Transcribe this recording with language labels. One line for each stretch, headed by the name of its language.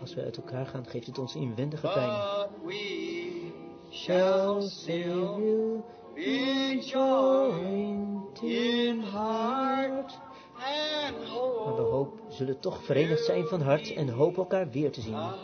Dutch: Als we uit elkaar gaan, geeft het ons inwendige pijn.
English: We shall still be joined in heart.
Dutch: Maar we hoop zullen toch verenigd zijn van hart en hopen elkaar weer te zien.